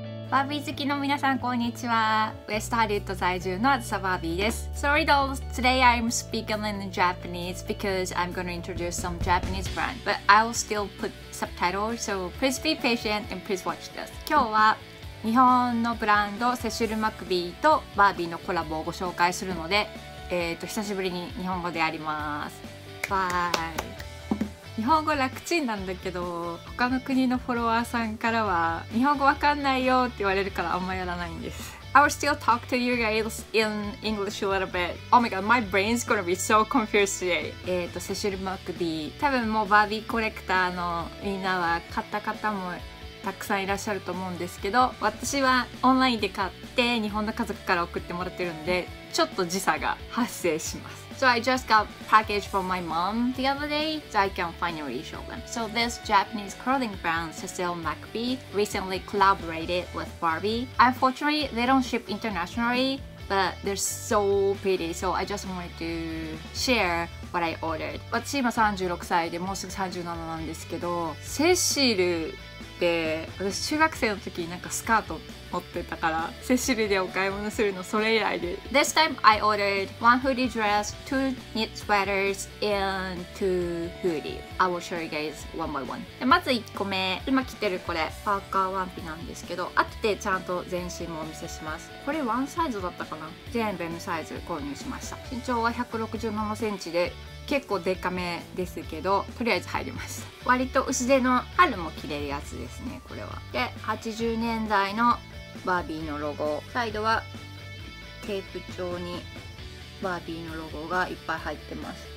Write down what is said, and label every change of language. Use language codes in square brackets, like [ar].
[ja] バービー好きの皆さん、こんにちは。ウェストハリウッド在住のあずさバービーです。 [en] Sorry though, today I'm speaking in Japanese because I'm going to introduce some Japanese brand, but I'll still put subtitles, so please be patient and please watch this. [ja] 今日は日本のブランドセシル・マクビーとバービーのコラボをご紹介するので、久しぶりに日本語でやります。バイ。日本語楽ちんなんだけど、他の国のフォロワーさんからは日本語わかんないよって言われるからあんまやらないんです。 [en] I will still talk to you guys in English a little bit. Oh my god, my brain's gonna be so confused today. [ja] セシル・マクビー、多分もうバービーコレクターのみんなは買った方もたくさんいらっしゃると思うんですけど、私はオンラインで買って日本の家族から送ってもらってるんで、ちょっと時差が発生します。 [en] So I just got package from my mom the other day, so I can finally show them. So this Japanese clothing brand, Cecil McBee, recently collaborated with Barbie. Unfortunately, they don't ship internationally, but they're so pretty, so I just wanted to share what I ordered. [ja] 私今36歳でもうすぐ37なんですけど、セシルで、私中学生の時になんかスカート持ってたから、セシルでお買い物するのそれ以来で。 [en] This time I ordered one hoodie dress, two knit sweaters, and two hoodie. I will show you guys one by one. [ja] でまず1個目、今着てるこれパーカーワンピなんですけど、後でちゃんと全身もお見せします。これワンサイズだったかな、全部 M サイズ購入しました。身長は167センチで結構デカめですけど、とりあえず入りました。割と薄手の春も着れるやつですね、これは。で、80年代のバービーのロゴ、サイドはテープ状にバービーのロゴがいっぱい入ってます。